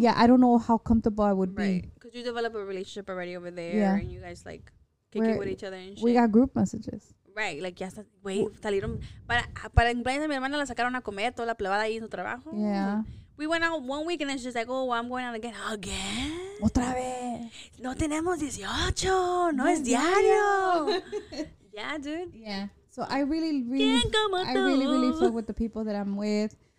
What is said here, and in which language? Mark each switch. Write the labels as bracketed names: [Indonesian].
[English] I don't know how comfortable I would be. Right, because you develop a relationship already over there. Yeah. And you guys, like, kick it with each other and shit. We got group messages. Right, like, [Spanish] ya wey, salieron. Para en plan de mi hermana la sacaron a comer toda la plebada ahí en su trabajo. [English] Yeah. We went out 1 week and then she's like, oh, well, I'm going out again. [Spanish] Otra vez. No tenemos 18. No es diario. [English] Yeah, dude. Yeah. So I really, really, I really fuck with the people that I'm with.